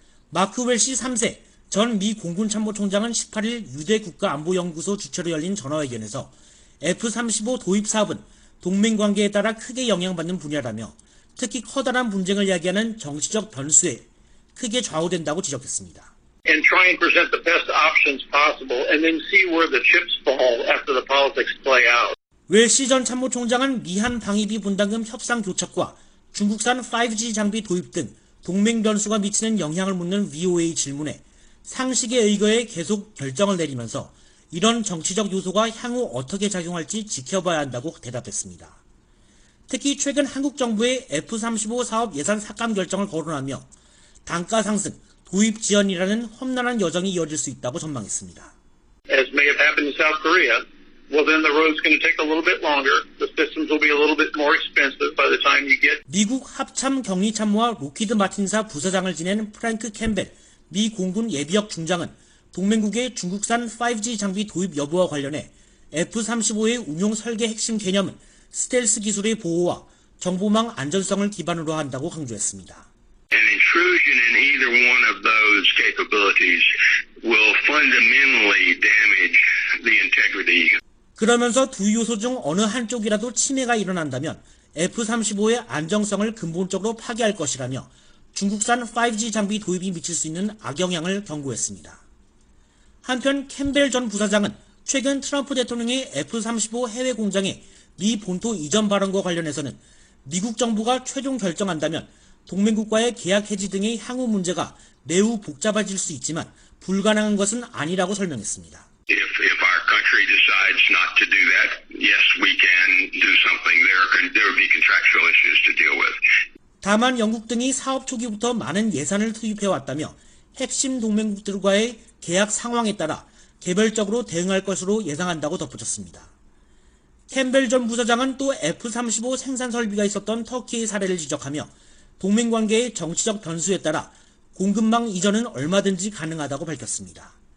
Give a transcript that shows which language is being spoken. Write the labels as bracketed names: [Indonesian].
[Korean] 마크 웰시 3세 전 미 공군참모총장은 18일 유대국가안보연구소 주최로 열린 전화회견에서 F-35 도입 사업은 동맹관계에 따라 크게 영향받는 분야라며 특히 커다란 분쟁을 야기하는 정치적 변수에 크게 좌우된다고 지적했습니다. [English] And try and present the best options possible and then see where the chips fall after the politics play out. [Korean] 웰시 전 참모총장은 미한 방위비 분담금 협상 교착과 중국산 5G 장비 도입 등 동맹 변수가 미치는 영향을 묻는 VOA 질문에 상식의 의거에 계속 결정을 내리면서 이런 정치적 요소가 향후 어떻게 작용할지 지켜봐야 한다고 대답했습니다. 특히 최근 한국 정부의 F-35 사업 예산 삭감 결정을 거론하며 단가 상승, 구입 지연이라는 험난한 여정이 이어질 수 있다고 전망했습니다. [English] As may have happened in South Korea, well then the road's going to take a little bit longer. The systems will be a little bit more expensive by the time you get. [Korean] 미국 합참 격리 참모와 로키드 마틴사 부사장을 지낸 프랭크 캠벨 미 공군 예비역 중장은 동맹국의 중국산 5G 장비 도입 여부와 관련해 F-35의 운용 설계 핵심 개념은 스텔스 기술의 보호와 정보망 안전성을 기반으로 한다고 강조했습니다. [English] An intrusion in either one of those capabilities will fundamentally damage the integrity. [Korean] 그러면서 두 요소 중 어느 한쪽이라도 침해가 일어난다면 F-35의 안정성을 근본적으로 파괴할 것이라며 중국산 5G 장비 도입이 미칠 수 있는 악영향을 경고했습니다. 한편 캠벨 전 부사장은 최근 트럼프 대통령의 F-35 해외 공장의 미 본토 이전 발언과 관련해서는 미국 정부가 최종 결정한다면 동맹국과의 계약 해지 등의 향후 문제가 매우 복잡해질 수 있지만 불가능한 것은 아니라고 설명했습니다. [English] If our country decides not to do that, yes, we can do something. There would be contractual issues to deal with. [Korean] 다만 영국 등이 사업 초기부터 많은 예산을 투입해 왔다며 핵심 동맹국들과의 계약 상황에 따라 개별적으로 대응할 것으로 예상한다고 덧붙였습니다. 캠벨 전 부사장은 또 F-35 생산 설비가 있었던 터키의 사례를 지적하며 동맹관계의 정치적 변수에 따라 공급망 이전은 얼마든지 가능하다고 밝혔습니다.